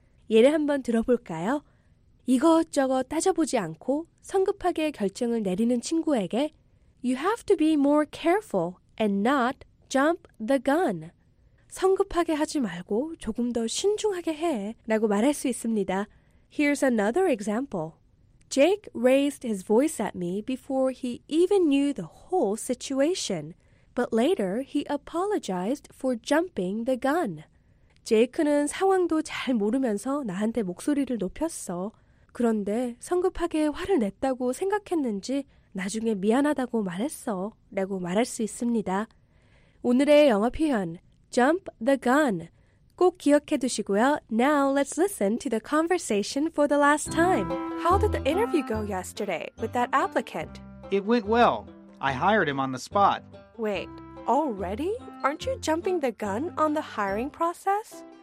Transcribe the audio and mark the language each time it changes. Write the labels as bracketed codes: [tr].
[ko] 예를 한번 들어볼까요? 이것저것 따져보지 않고 성급하게 결정을 내리는 친구에게 [en] You have to be more careful and not jump the gun. [ko] 성급하게 하지 말고 조금 더 신중하게 해 라고 말할 수 있습니다. [en] Here's another example. Jake raised his voice at me before he even knew the whole situation, but later he apologized for jumping the gun. [ko] 제이크는 상황도 잘 모르면서 나한테 목소리를 높였어. 그런데 성급하게 화를 냈다고 생각했는지 나중에 미안하다고 말했어 라고 말할 수 있습니다. 오늘의 영어 표현, jump the gun. 꼭 기억해 두시고요. [en] Now let's listen to the conversation for the last time. How did the interview go yesterday with that applicant? It went well. I hired him on the spot. Wait, already? Aren't you jumping the gun on the hiring process?